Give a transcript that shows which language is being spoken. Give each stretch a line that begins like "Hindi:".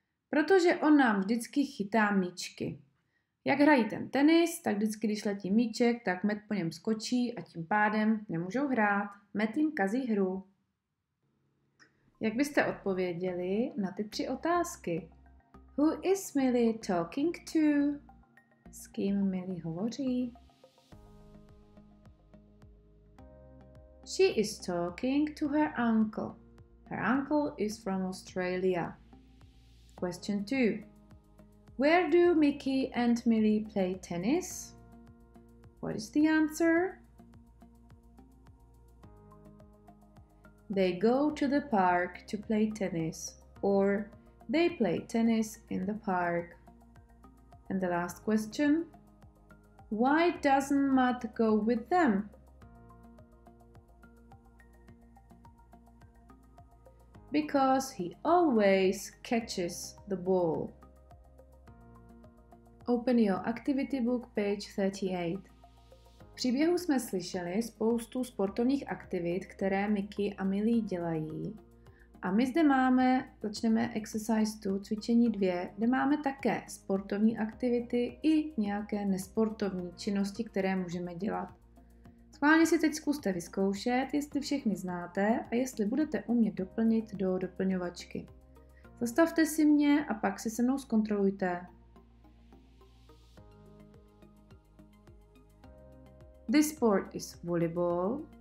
Czech: protože on nám vždycky chytá míčky. Jak hrají ten tenis, tak vždycky, když letí míček, tak Matt po něm skočí a tím pádem nemůžou hrát. Matt jim kazí hru. Jak byste odpověděli na ty tři otázky?
English: Who is Millie talking to?
Czech: S kým Millie hovoří?
English: She is talking to her uncle. Her uncle is from Australia. Question 2. Where do Mickey and Millie play tennis? What is the answer? They go to the park to play tennis, or they play tennis in the park. And the last question. Why doesn't Matt go with them? Because he always catches the ball. Open your activity book, page 38.
Czech: V příběhu jsme slyšeli spoustu sportovních aktivit, které Mickey a Millie dělají. A my zde máme, začneme exercise 2, cvičení 2, kde máme také sportovní aktivity i nějaké nesportovní činnosti, které můžeme dělat. Schválně si teď zkuste vyzkoušet, jestli všechny znáte a jestli budete umět doplnit do doplňovačky. Zastavte si mě a pak si se mnou zkontrolujte.
English: This sport is volleyball.